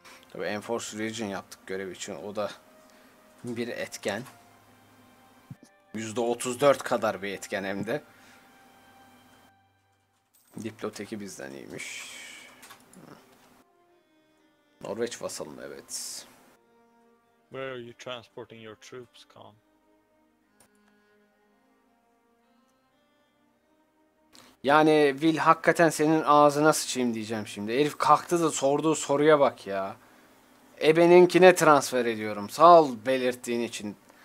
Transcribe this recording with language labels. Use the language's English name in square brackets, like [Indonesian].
[Turkish] Tabi Enforce Region yaptık görev için, o da bir etken. %34 kadar bir etken hem de. Diploteki bizden iyiymiş. Norveç vasalım, evet. [English] Where are you transporting your troops, Khan? [Turkish] Yani Will, hakikaten senin ağzına sıçayım diyeceğim şimdi. Herif kalktı da sorduğu soruya bak ya. Ebeninkine transfer ediyorum. Sağ ol belirttiğin için.